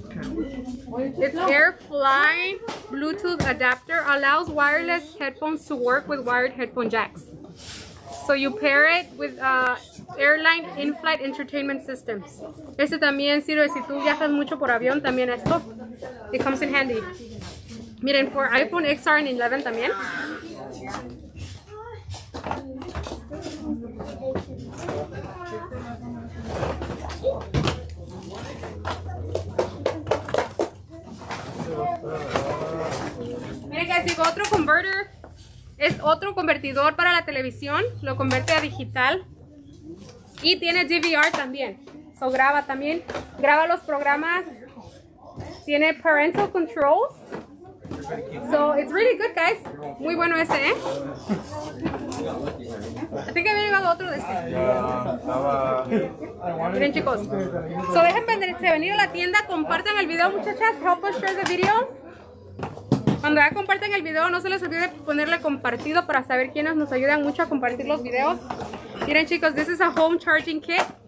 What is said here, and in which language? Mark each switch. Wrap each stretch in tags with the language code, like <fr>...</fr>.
<en>It's AirFly Bluetooth adapter. Allows wireless headphones to work with wired headphone jacks. So you pair it with airline in-flight entertainment systems.</en> <es>Este también sirve si tú viajas mucho por avión, también esto.</es> <en>It comes in handy.</en> <es>Miren, for iPhone XR and 11 también. Miren, guys, llegó otro converter. Es otro convertidor para la televisión, lo convierte a digital. Y tiene DVR también. So graba también, graba los programas. Tiene parental controls.</es> <en>So it's really good, guys.</en> <es>Muy bueno este, ¿eh? Así que había llevado otro de este. Miren, chicos. So dejen venir a la tienda. Compartan el video, muchachas.</es> <en>Help us share the video.</en> <es>Cuando ya compartan el video, no se les olvide ponerle compartido para saber quiénes nos ayudan mucho a compartir los videos. Miren, chicos,</es> <en>this is a home charging kit.</en>